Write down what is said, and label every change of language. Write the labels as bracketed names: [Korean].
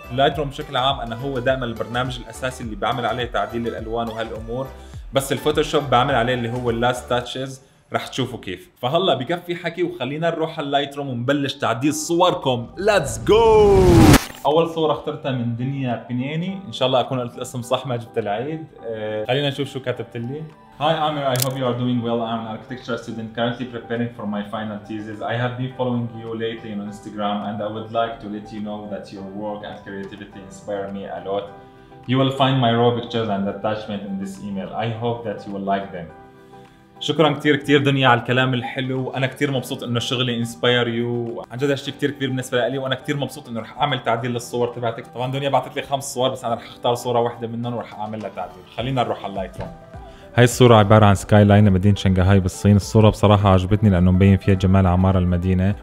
[Arabic] اللايت روم بشكل عام انا هو دائما البرنامج الاساسي اللي بعمل عليه تعديل الالوان وهالامور، بس الفوتوشوب بعمل عليه اللي هو [English] اللاست تاتشز، [Arabic] راح تشوفوا كيف. فهلا بكفي حكي وخلينا نروح على اللايت روم ونبلش تعديل صوركم. [English] Let's go. [Arabic] اول صوره اخترتها من دنيا بنياني، ان شاء الله اكون قلت الاسم صح، ما جبت العيد. خلينا نشوف شو كتبت لي. [English] Hi Amir, I hope you are doing well. I'm an architecture student currently preparing for my final thesis. I have been following you lately on Instagram and I would like to let you know that your work and creativity inspire me a lot. You will find my raw pictures and attachment in this email. I hope that you will like them. [Arabic] شكرا كتير دنيا على الكلام الحلو، وانا كتير مبسوط انه شغلي [English] inspire you, [Arabic] عن جد هالشيء كتير كبير بالنسبه لي، وانا كتير مبسوط انه رح اعمل تعديل للصور تبعتك. طبعا دنيا بعثت لي خمس صور بس انا رح اختار صوره واحده منهم ورح اعمل لها تعديل. خلينا نروح على اللايت روم. هاي الصورة عبارة عن سكاي لاين لمدينة شنغهاي بالصين. الصورة بصراحة عجبتني لأنه مبين فيها جمال عمارة المدينة.